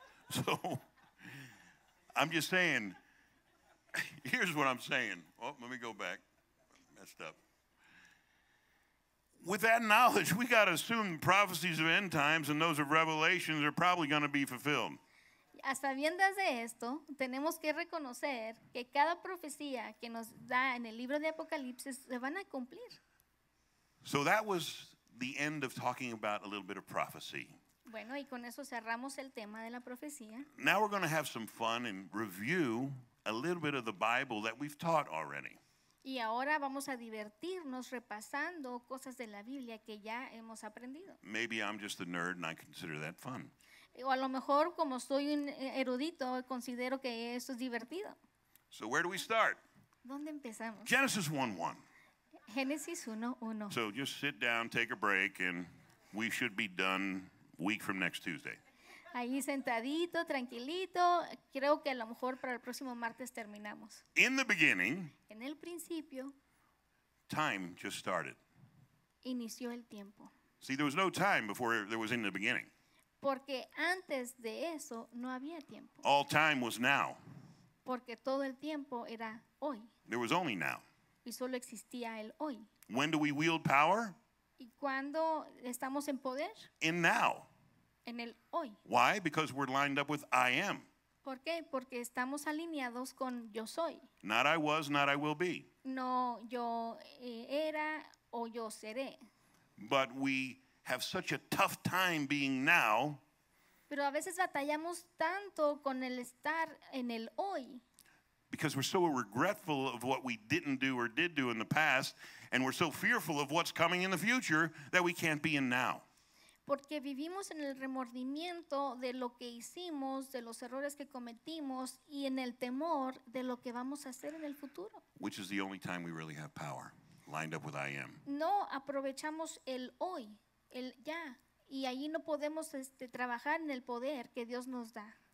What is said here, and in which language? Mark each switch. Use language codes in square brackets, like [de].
[en] So, I'm just saying, here's what I'm saying. Oh, let me go back. Messed up. With that knowledge, we got to assume prophecies of end times and those of Revelation are probably going to be fulfilled. [es] A sabiendas de esto, tenemos que reconocer que cada profecía que nos da en el libro de Apocalipsis se van a cumplir. [en] So that was the end of talking about a little bit of prophecy. [es] Bueno, y con eso cerramos el tema de la profecía. [en] Now we're going to have some fun and review a little bit of the Bible that we've taught already. [es] Y ahora vamos a divertirnos repasando cosas de la Biblia que ya hemos aprendido. [en] Maybe I'm just a nerd and I consider that fun. [es] O a lo mejor, como soy un erudito, considero que esto es divertido. [en] So where do we start? [es] ¿Dónde empezamos? [en] Genesis 1:1. [es] Genesis 1:1. [en] So just sit down, take a break, and we should be done week from next Tuesday. [es] Ahí sentadito, tranquilito. Creo que a lo mejor para el próximo martes terminamos. [en] In the beginning, [es] en el principio, [en] time just started. [es] Inició el tiempo. [en] See, there was no time before there was in the beginning. [es] Porque antes de eso no había tiempo. [en] All time was now. [es] Porque todo el tiempo era hoy. [en] There was only now. [es] Y solo existía el hoy. [en] When do we wield power? [es] ¿Y cuando estamos en poder? [en] In now. [es] En el hoy. [en] Why? Because we're lined up with I am. [es] ¿Por qué? Porque estamos alineados con yo soy. [en] Not I was, not I will be. [es] No, yo era o yo seré. [en] But we have such a tough time being now. [es] Pero a veces batallamos tanto con el estar en el hoy. [en] Because we're so regretful of what we didn't do or did do in the past, and we're so fearful of what's coming in the future that we can't be in now. [es] Porque vivimos en el remordimiento de lo que hicimos, de los errores que cometimos, y en el temor de lo que vamos a hacer en el futuro. [en] Which is the only time we really have power, lined up with I am. [es] No aprovechamos el hoy, el ya, y ahí no podemos trabajar en el poder que Dios nos da.